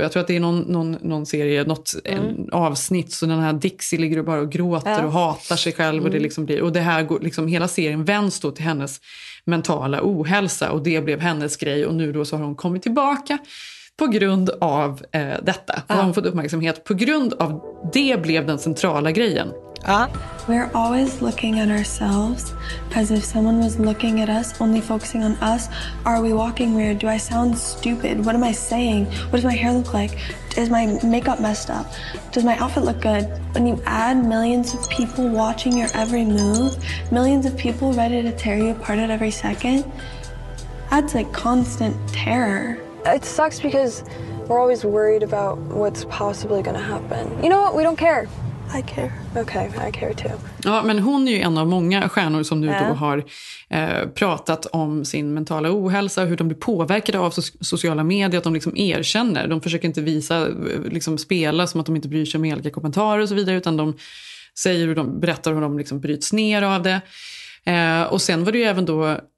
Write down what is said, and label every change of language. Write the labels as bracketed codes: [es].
[sv] Jag tror att det är någon serie, något en avsnitt, så den här Dixie ligger bara och gråter och hatar sig själv, och det liksom blir, och det här går liksom, hela serien vänds då till hennes mentala ohälsa, och det blev hennes grej, och nu då så har hon kommit tillbaka på grund av detta. Och har hon fått uppmärksamhet på grund av det, blev den centrala grejen. [en] We're always looking at ourselves as if someone was looking at us, only focusing on us. Are we walking weird? Do I sound stupid? What am I saying? What does my hair look like? Is my makeup messed up? Does my outfit look good? When you add millions of people watching your every move, millions of people ready to tear you apart at every second, that's like constant terror. It sucks because we're always worried about what's possibly going to happen. You know what? We don't care. I care. Okay, I care too. [sv] Ja, men hon är ju en av många stjärnor som nu då har pratat om sin mentala ohälsa, hur de blir påverkade av sociala medier, att de liksom erkänner. De försöker inte visa, liksom spela som att de inte bryr sig om olika kommentarer och så vidare, utan de säger hur de berättar, hur de liksom bryts ner av det. Och sen var det ju även då